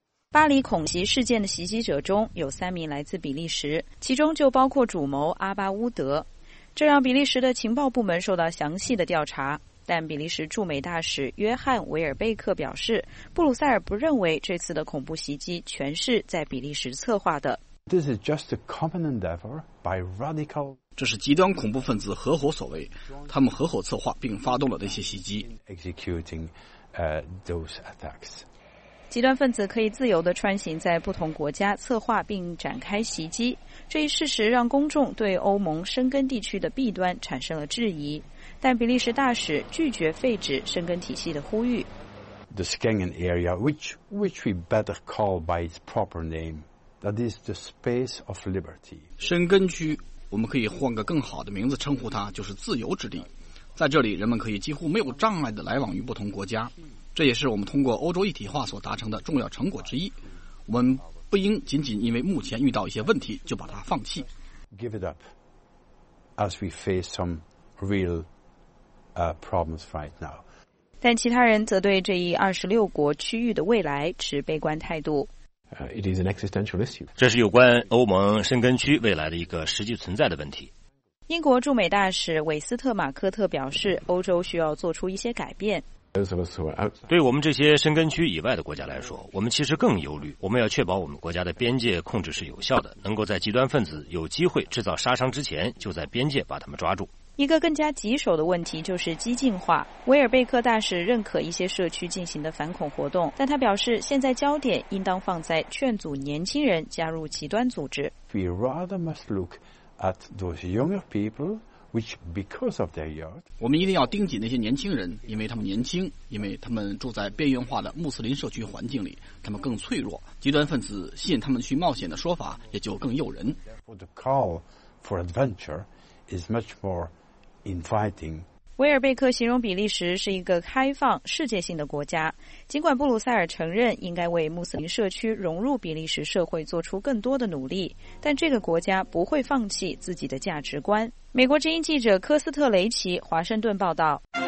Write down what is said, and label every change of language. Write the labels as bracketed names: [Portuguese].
[Chinese] 巴黎恐袭事件的袭击者中有三名来自比利时，其中就包括主谋阿巴乌德，这让比利时的情报部门受到详细的调查。但比利时驻美大使约翰·维尔贝克表示，布鲁塞尔不认为这次的恐怖袭击全是在比利时策划的。 [English] This is just a common endeavor by radical. [Chinese] 这是极端恐怖分子合伙所为，他们合伙策划并发动了那些袭击。 [English] Executing, those attacks. [Chinese] 极端分子可以自由地穿行在不同国家，策划并展开袭击。这一事实让公众对欧盟申根地区的弊端产生了质疑。但比利时大使拒绝废止申根体系的呼吁。 [English] The Schengen area, which we better call by its proper name, that is the space of liberty. [Chinese] 申根区，我们可以换个更好的名字称呼它，就是自由之地。在这里，人们可以几乎没有障碍地来往于不同国家，这也是我们通过欧洲一体化所达成的重要成果之一。我们不应仅仅因为目前遇到一些问题就把它放弃。 [English] Give it up as we face some real problems right now. [Chinese] 但其他人则对这一26国区域的未来持悲观态度。 [English] It is an existential issue. [Chinese] 这是有关欧盟申根区未来的一个实际存在的问题。英国驻美大使韦斯特马科特表示，欧洲需要做出一些改变。对我们这些申根区以外的国家来说，我们其实更忧虑。我们要确保我们国家的边界控制是有效的，能够在极端分子有机会制造杀伤之前，就在边界把他们抓住。一个更加棘手的问题就是激进化。维尔贝克大使认可一些社区进行的反恐活动，但他表示现在焦点应当放在劝阻年轻人加入极端组织。 [English] We rather must look at those younger people. Which because of their yard, [Chinese] 我们一定要盯紧那些年轻人，因为他们年轻，因为他们住在边缘化的穆斯林社区环境里，他们更脆弱。极端分子吸引他们去冒险的说法也就更诱人。 [English] Therefore, the call for adventure is much more inviting. [Chinese] 维尔贝克形容比利时是一个开放、世界性的国家。尽管布鲁塞尔承认应该为穆斯林社区融入比利时社会做出更多的努力，但这个国家不会放弃自己的价值观。美国之音记者科斯特雷奇华盛顿报道。